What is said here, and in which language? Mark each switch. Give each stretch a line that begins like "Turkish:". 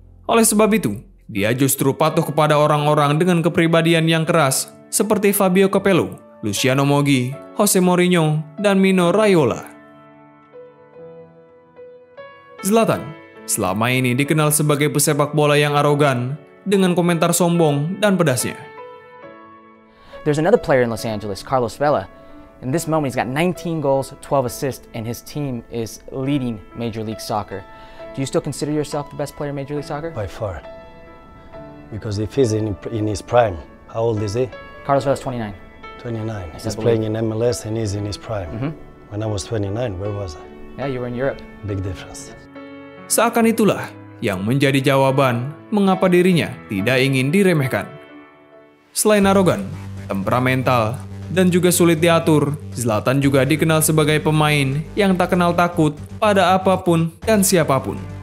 Indonesian: Oleh sebab itu, dia justru patuh kepada orang-orang dengan kepribadian yang keras seperti Fabio Capello, Luciano Moggi, Jose Mourinho, dan Mino Raiola. Zlatan selama ini dikenal sebagai pesepak bola yang arogan dengan komentar sombong dan pedasnya.
English: There's another player in Los Angeles, Carlos Vela. In this moment he's got 19 goals, 12 assists and his team is leading Major League Soccer. Do you still consider yourself the best player in Major League Soccer? By far. Because if he's in his prime, how old is he? Carlos Vela's 29. 29. He's playing in MLS and he's in his prime. Mm-hmm. When I was 29, where was I? Yeah, you were in Europe. Big difference.
Indonesian: Seakan itulah yang menjadi jawaban mengapa dirinya tidak ingin diremehkan. Selain arogan, temperamental, dan juga sulit diatur, Zlatan juga dikenal sebagai pemain yang tak kenal takut pada apapun dan siapapun.